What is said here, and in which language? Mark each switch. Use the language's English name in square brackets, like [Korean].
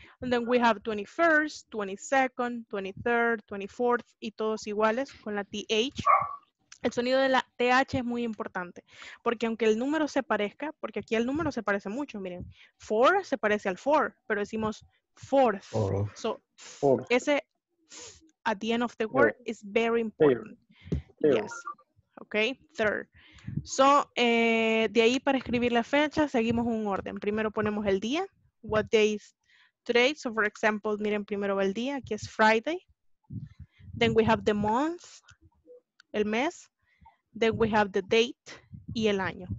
[English] And then we have 21st, 22nd, 23rd, 24th, [Spanish] y todos iguales con la TH. El sonido de la TH es muy importante, porque aunque el número se parezca, porque aquí el número se parece mucho, miren, 4 se parece al 4, pero decimos 4th. [English] So, fourth. Ese at the end of the word is very important. Third. Yes. Okay, 3rd. [Spanish] So, de ahí para escribir la fecha, seguimos un orden. Primero ponemos el día. [English] What day is today? [Spanish] So, for example, miren primero el día. Aquí es Friday. [English] Then we have the month, [Spanish] el mes. [English] Then we have the date [Spanish] y el año.